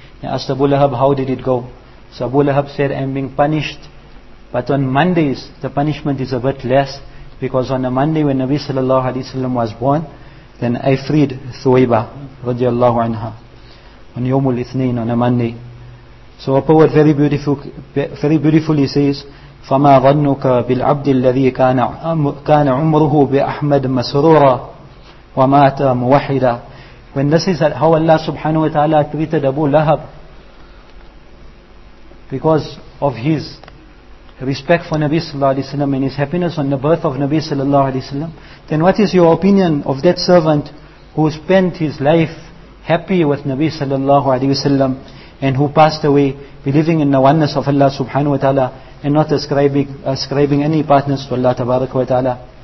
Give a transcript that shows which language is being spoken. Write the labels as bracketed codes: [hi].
[en] He asked Abu Lahab, how did it go? So Abu Lahab said, I'm being punished, but on Mondays the punishment is a bit less, because on a Monday when Nabi sallallahu alayhi wa sallam was born, then I freed Thuwaiba radiallahu anha on Yawmul Ithneen, on a Monday. So a poet very beautifully says, [ar] فَمَا ظَنُّكَ بِالْعَبْدِ الَّذِي كَانَ عُمْرُهُ بِأَحْمَدٍ مَسْرُورًا وَمَاتَ مُوَحِدًا. [en] When this is how Allah subhanahu wa ta'ala treated Abu Lahab because of his respect for Nabi sallallahu alayhi wa sallam and his happiness on the birth of Nabi sallallahu alayhi wa sallam, then what is your opinion of that servant who spent his life happy with Nabi sallallahu alayhi wa sallam, and who passed away believing in the oneness of Allah subhanahu wa ta'ala and not ascribing any partners to Allah tabaraka wa ta'ala.